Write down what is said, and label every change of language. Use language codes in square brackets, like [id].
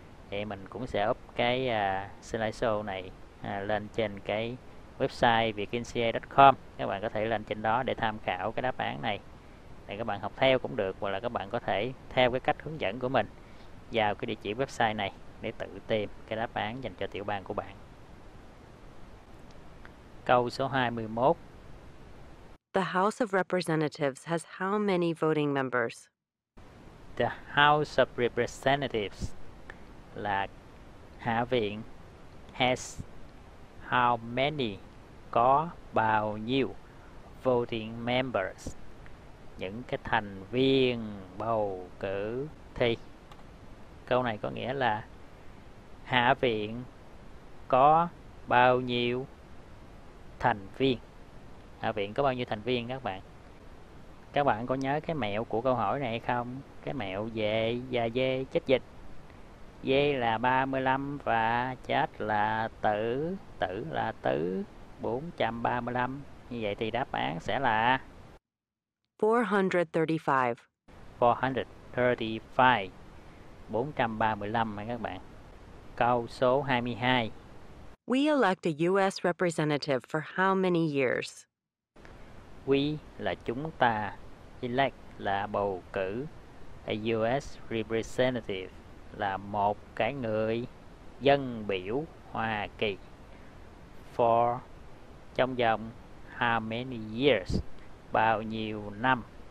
[vi] Thì mình cũng sẽ up cái slideshow này lên trên cái website vietnca.com. Các bạn có thể lên trên đó để tham khảo cái đáp án này. Thì các bạn học theo cũng được, hoặc là các bạn có thể theo cái cách hướng dẫn của mình vào cái địa chỉ website này để tự tìm cái đáp án dành cho tiểu bang của bạn. Câu số 21. [en] The House of Representatives has how many voting members? The House of Representatives [vi] là Hạ viện [en] has how many, [vi] có bao nhiêu [en] voting members, [vi] những cái thành viên bầu cử. Thì câu này có nghĩa là Hạ viện có bao nhiêu thành viên, Hạ viện có bao nhiêu thành viên các bạn. Các bạn có nhớ cái mẹo của câu hỏi này không? Cái mẹo dê và dê chết dịch. Dê là 35 và chết là tử. Tử là tứ, 435. Như vậy thì đáp án sẽ là 435. 435. 435 mà các bạn. Câu số 22. [en] We elect a US representative for how many years? We [vi] là chúng ta, [en] elect [vi] là bầu cử, [en] a US representative [vi] là một cái người dân biểu Hoa Kỳ, [en] for [vi] trong vòng [en] how many years, [vi] bao nhiêu năm.